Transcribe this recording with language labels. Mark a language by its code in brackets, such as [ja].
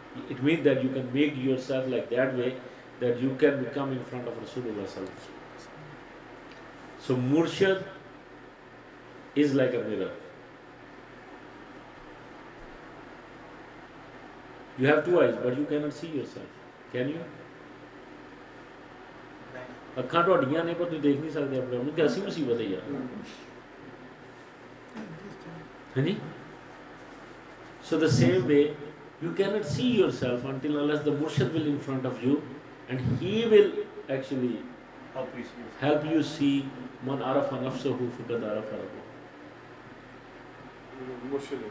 [en] It means that you can make yourself like that way, that you can become in front of Rasulullah [ar] sallallahu alaihi wasallam. [en] So Murshid is like a mirror. You have two eyes, but you cannot see yourself. Can you? [pa] ਅੱਖਾਂ ਤੁਹਾਡੀਆਂ ਨੇ ਪਰ ਤੁਸੀਂ ਦੇਖ ਨਹੀਂ ਸਕਦੇ ਆਪਣੇ ਆਪ ਨੂੰ, ਕੈਸੀ ਮੁਸੀਬਤ ਹੈ ਯਾਰ. [en] Honey? So the same way, you cannot see yourself until unless the Murshid will in front of you, and he will actually help you see [ar] man arafa nafsahu faqad arafa rabbahu.